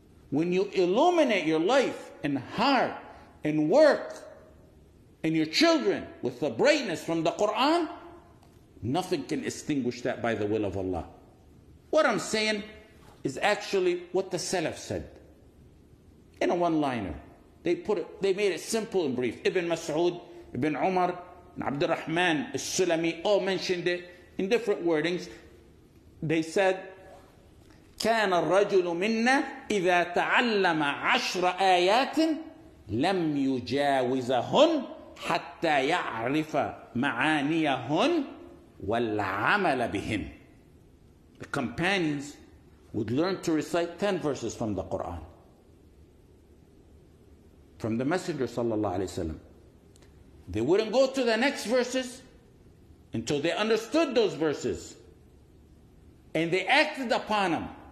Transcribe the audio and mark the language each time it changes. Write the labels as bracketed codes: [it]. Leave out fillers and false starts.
[en] When you illuminate your life and heart and work and your children with the brightness from the Qur'an, nothing can extinguish that by the will of Allah. What I'm saying is actually what the Salaf said in a one-liner. They made it simple and brief. Ibn Mas'ud, Ibn Umar, Abdurrahman al-Sulami all mentioned it in different wordings. They said, [ar] كان الرجل منا إذا تعلم عشر آيات لم يجاوزهن حتى يعرف معانيهن والعمل بهن. [en] The companions would learn to recite 10 verses from the Quran, from the Messenger sallallahu alayhi wa sallam. They wouldn't go to the next verses until they understood those verses and they acted upon them.